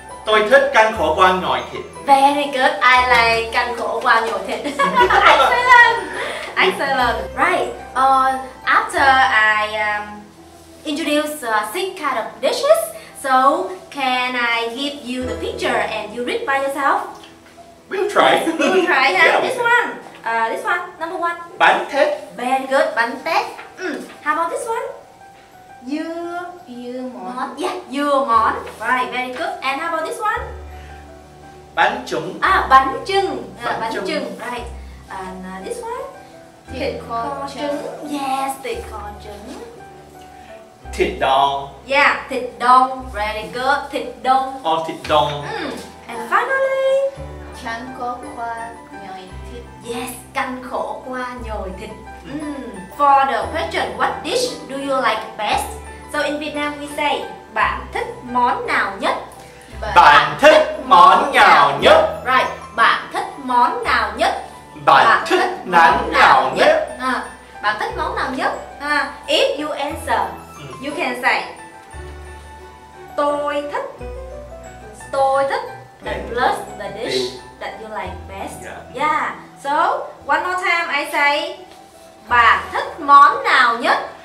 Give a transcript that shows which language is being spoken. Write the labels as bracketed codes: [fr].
[vi] Tôi thích canh khổ qua nhồi thịt. [en] Very good. I like canh khổ qua nhồi thịt. Excellent. Excellent. Right. After I introduce six kind of dishes, so can I give you the picture and you read by yourself? We'll try. We'll try. Huh? Yeah. This one. This one, number one. [vi] Bánh tét. [en] Very good, bánh tét. How about this one? [vi] Dưa mòn. [en] Yeah, dưa mòn. Right, very good. And how about this one? [vi] Bánh trứng. [en] Bánh trứng. Bánh trứng. Right. And this one? [vi] Thịt kho trứng. [en] Yes, thịt kho trứng. [vi] Thịt đông. [en] Yeah, thịt đông. Very good. Thịt đông. [vi] Oh, thịt đông. [en] And finally, [vi] canh khổ qua nhồi thịt. [en] Yes, canh khổ qua nhồi thịt. For the question, what dish do you like best? So in Vietnam we say, [vi] bạn thích món nào nhất? Bạn thích món nào nhất? Right, bạn thích món nào nhất? Bạn thích món nào nhất? Bạn thích món nào nhất? [en] If you answer, you can say, [vi] tôi thích. Tôi thích. [en] The plus the dish that you like best. Yeah. Yeah. So one more time, I say, [vi] bạn thích món nào nhất?